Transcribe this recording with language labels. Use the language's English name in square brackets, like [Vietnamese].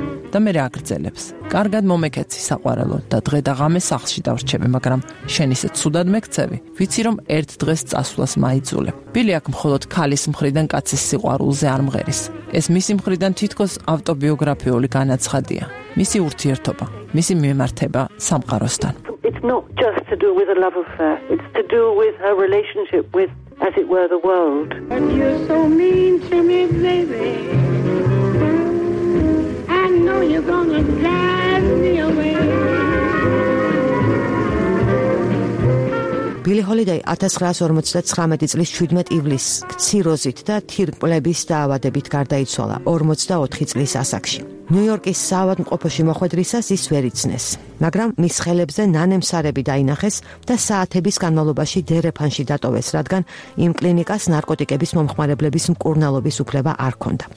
[Georgian] და მე რაგრძელებს. კარგად მომეკეცი საყვარელო და დღე და ღამე სახლში დავრჩები, მაგრამ შენ ისე ცუდად მეკცევი. ვიცი რომ ერთ დღეს წასვლას მაიძულე. ბილი აქ მხოლოდ ქალის მხრიდან კაცის სიყვარულზე არ მღერის. ეს მისი მხრიდან თითქოს ავტობიოგრაფიული განაცხადია. მისი ურთიერთობა, მისი მიმართება სამყაროსთან. [English] It's not just to do with a love affair. It's to do with her relationship with, as it were, the world. And you're so mean to me, baby. You're gonna drive me away. [Georgian] ბილი ჰოლიდეი 1959 წლის 17 ივლისს ქციროზით და თირკმლების დაავადებით გარდაიცვალა 84 წლის ასაკში. ნიუ-იორკის საავადმყოფოში მოხვედრისას ის ვერ იცნეს, მაგრამ მის ხელებზე ნანემსარები დაინახეს და საათების განმავლობაში დერეფანში დატოვეს, რადგან იმ კლინიკას ნარკოტიკების მომხმარებლების მკურნალობის უფლება არ ჰქონდა.